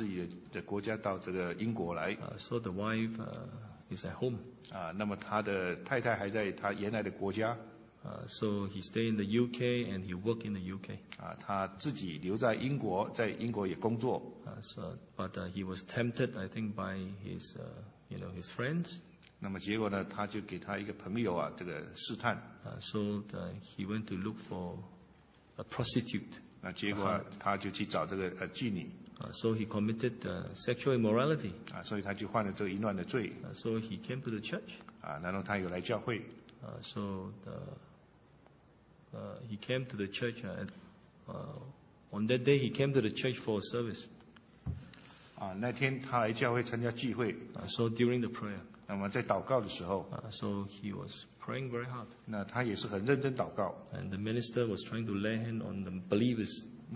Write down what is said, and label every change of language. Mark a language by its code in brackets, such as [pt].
[zh] 有一个弟兄从他自己的国家到这个英国来。 [en] So the wife is at home. [zh] 那么他的太太还在他原来的国家。 [en] So he stay in the UK and he work in the UK. [zh] 他自己留在英国，在英国也工作。 [en] He was tempted, I think, by his his friends. [zh] 那么结果呢，他就给他一个朋友这个试探。 [en] He went to look for a prostitute. [zh] 那结果他就去找这个妓女。 [en] So he committed sexual immorality. [zh] 所以他就犯了这个淫乱的罪。 [en] So he came to the church. [zh] 然后他又来教会。 [en] So he came to the church. On that day he came to the church for a service. [zh] 那天他来教会参加聚会。 [en] So during the prayer. [zh] 那么在祷告的时候。 [en] So he was praying very hard. [zh] 那他也是很认真祷告。 [en] And the minister was trying to lay hand on the believers.